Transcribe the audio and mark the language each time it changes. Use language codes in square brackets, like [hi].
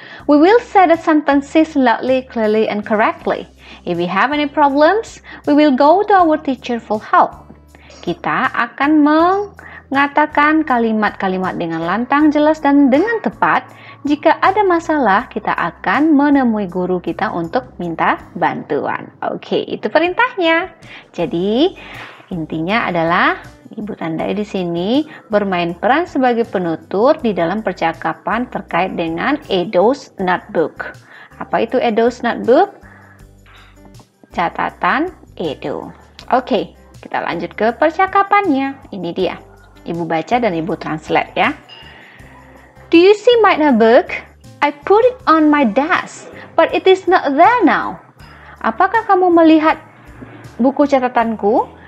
[en] We will say the sentences loudly, clearly, and correctly. If we have any problems, we will go to our teacher for help. [id] Kita akan mengatakan kalimat-kalimat dengan lantang, jelas, dan dengan tepat. Jika ada masalah, kita akan menemui guru kita untuk minta bantuan. Oke, itu perintahnya. Jadi, intinya adalah ibu tandai di sini bermain peran sebagai penutur di dalam percakapan terkait dengan Edo's notebook. Apa itu Edo's notebook? Catatan Edo. Oke, kita lanjut ke percakapannya. Ini dia. Ibu baca dan ibu translate ya. [en] Do you see my notebook? I put it on my desk, but it is not there now. [id] Apakah kamu melihat buku catatanku?